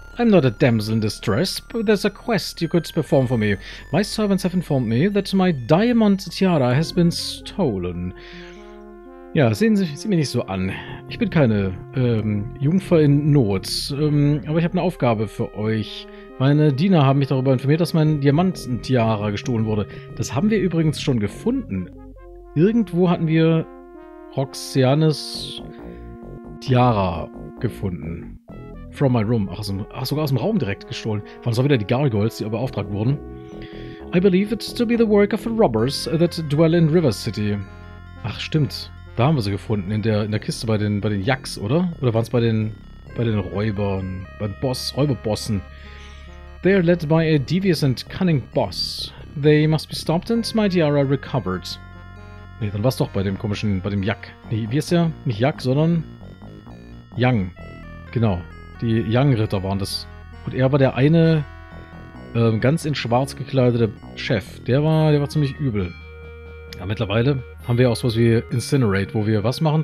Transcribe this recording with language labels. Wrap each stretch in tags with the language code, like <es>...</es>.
<en>I'm not a damsel in distress, but there's a quest you could perform for me. My servants have informed me that my diamond tiara has been stolen.</en> <de>Ja, sehen Sie sie mir nicht so an. Ich bin keine Jungfer in Not, aber ich habe eine Aufgabe für euch. Meine Diener haben mich darüber informiert, dass mein Diamantentiara gestohlen wurde. Das haben wir übrigens schon gefunden. Irgendwo hatten wir Roxiannes Tiara gefunden.</de> <en>From my room.</en> <de>Sogar aus dem Raum direkt gestohlen. Waren es auch wieder die Gargoyles, die beauftragt wurden?</de> <en>I believe it to be the work of robbers that dwell in River City.</en> <de>Ach, stimmt. Da haben wir sie gefunden. In der Kiste bei den Yaks, oder? Oder waren es bei den Räubern? Beim Boss, Räuberbossen?</de> <en>They are led by a devious and cunning boss. They must be stopped and my tiara recovered.</en> <de>Nee, dann war's doch bei dem komischen, bei dem Yak. Nee, wie ist der? Nicht Yak, sondern Yang. Genau. Die Yang-Ritter waren das. Und er war der eine, ganz in schwarz gekleidete Chef. Der war ziemlich übel. Ja, mittlerweile haben wir auch sowas wie Incinerate, wo wir was machen?</de>